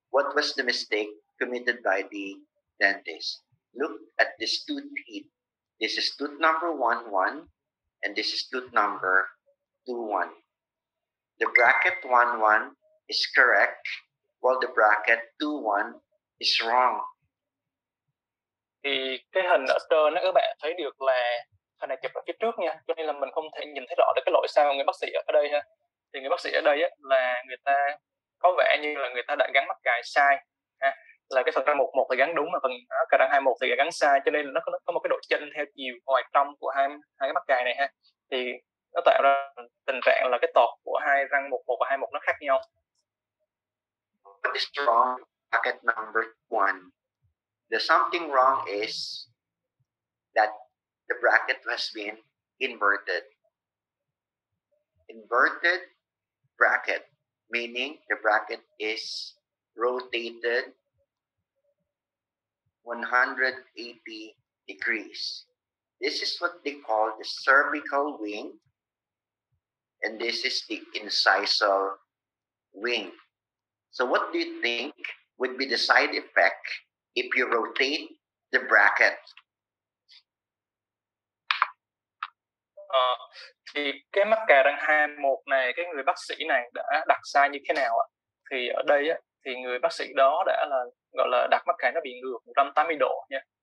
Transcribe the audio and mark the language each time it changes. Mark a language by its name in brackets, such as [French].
[English] What was the mistake committed by the dentist? Look at these two teeth. This is tooth number 1-1, and this is tooth number 2-1. The bracket 1-1 is correct, while the bracket 2-1 is wrong. [Vietnamese] Thì cái hình ở trên đó các bạn thấy được là hình này chụp ở phía trước nha, cho nên là mình không thể nhìn thấy rõ được cái lỗi sao người bác sĩ ở đây ha. Thì người bác sĩ ở đây á, là người ta có vẻ như là người ta đã gắn mắc cài sai ha. Là cái phần răng 1-1 thì gắn đúng, mà phần cài răng 2-1 thì gắn sai, cho nên nó có một cái độ chênh theo chiều ngoài trong của hai cái mắc cài này ha. Thì nó tạo ra tình trạng là cái tọt của hai răng 1-1 và 2-1 nó khác nhau. [English] What is wrong? Bracket number 1. The something wrong is that the bracket has been inverted. Inverted bracket, meaning the bracket is rotated 180 degrees. This is what they call the cervical wing, and this is the incisal wing. So what do you think would be the side effect if you rotate the bracket? [Vietnamese] Thì cái mắc cài răng 2-1 này, cái người bác sĩ này đã đặt sai như thế nào ạ? Thì ở đây á, thì người bác sĩ đó đã là gọi là đặt mắc cài nó bị ngược 180 độ nha.